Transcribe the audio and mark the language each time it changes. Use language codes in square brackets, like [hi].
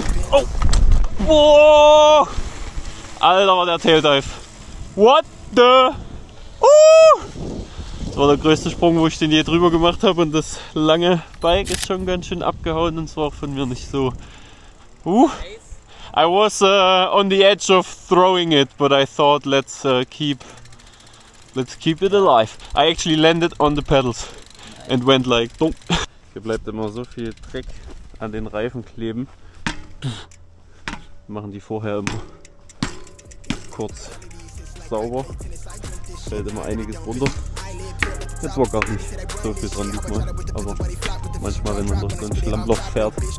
[de] Oh! Boah! Alter, war der Taildive. [en] What the? [de] Das war der größte Sprung, wo ich den je drüber gemacht habe. Und das lange Bike ist schon ganz schön abgehauen. Und zwar von mir nicht so. [en] I was on the edge of throwing it, but I thought let's keep it alive. I actually landed on the pedals and went like. Boom. [de] Hier bleibt immer so viel Dreck an den Reifen kleben. Machen die vorher immer kurz sauber. Fällt immer einiges runter. Jetzt war gar nicht so viel dran diesmal. Aber manchmal, wenn man durch so ein Schlammloch fährt.